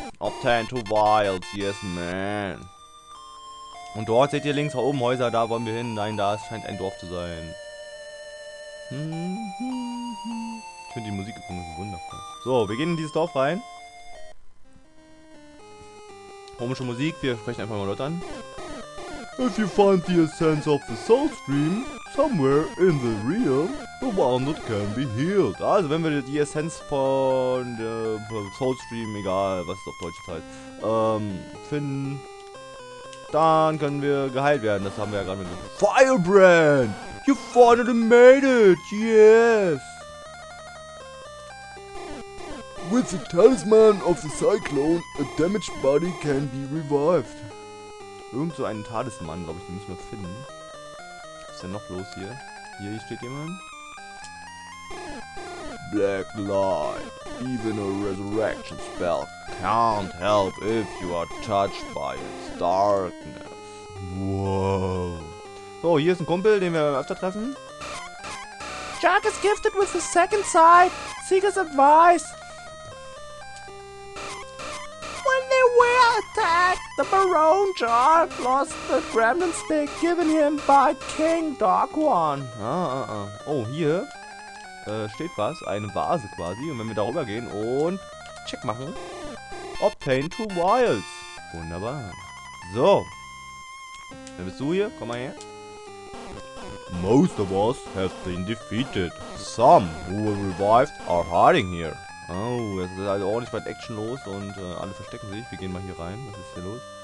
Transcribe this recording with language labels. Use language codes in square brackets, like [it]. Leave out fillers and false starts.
[en] Obtain to Wild. Yes, man. [de] Und dort seht ihr links da oben Häuser. Da wollen wir hin. Nein, da scheint ein Dorf zu sein. Ich finde die Musik übrigens wundervoll. So, wir gehen in dieses Dorf rein. Komische Musik, wir sprechen einfach mal dort an. [en] If you find the essence of the soul stream somewhere in the realm, the wounded can be healed. [de] Also, wenn wir die Essenz von der soul stream, egal was es auf Deutsch heißt, finden, dann können wir geheilt werden. Das haben wir ja gerade mit dem [en] Firebrand. You finally made it! Yes! With the talisman of the cyclone, a damaged body can be revived. [de] Irgend so einen Talisman, glaube ich, den müssen wir finden. Was ist denn noch los hier? Hier steht jemand. [en] Black Light. Even a resurrection spell can't help if you are touched by its darkness. Wow. [de] So, hier ist ein Kumpel, den wir öfter treffen. [en] Jack is gifted with the second sight. Seek his advice. When they were attacked, the Barone Jar lost the gremlin stick given him by King Darkwan. [de] Oh, hier steht was. Eine Vase quasi. Und wenn wir darüber gehen und check machen. [en] Obtain two wilds. [de] Wunderbar. So. Wer bist du hier? Komm mal her. [en] Most of us have been defeated. Some who were revived are hiding here. [de] Oh, es ist also ordentlich weit Action los und alle verstecken sich. Wir gehen mal hier rein. Was ist hier los?